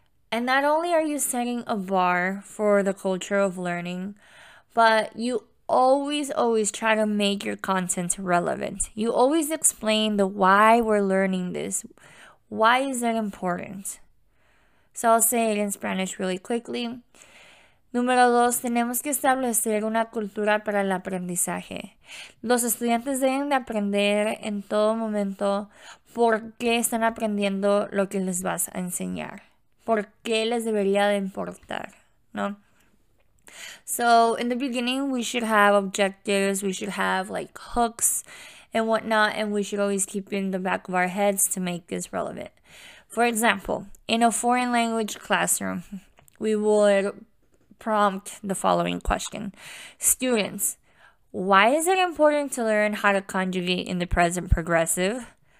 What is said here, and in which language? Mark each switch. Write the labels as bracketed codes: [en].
[en] And not only are you setting a bar for the culture of learning, but you always, always try to make your content relevant. You always explain the why we're learning this. Why is that important? So I'll say it in Spanish really quickly. [es] Número dos, tenemos que establecer una cultura para el aprendizaje. Los estudiantes deben de aprender en todo momento por qué están aprendiendo lo que les vas a enseñar. Por qué les debería de importar, ¿no? [en] So, in the beginning, we should have objectives, we should have like hooks and whatnot, and we should always keep in the back of our heads to make this relevant. For example, in a foreign language classroom, we would prompt the following question: Students, why is it important to learn how to conjugate in the present progressive?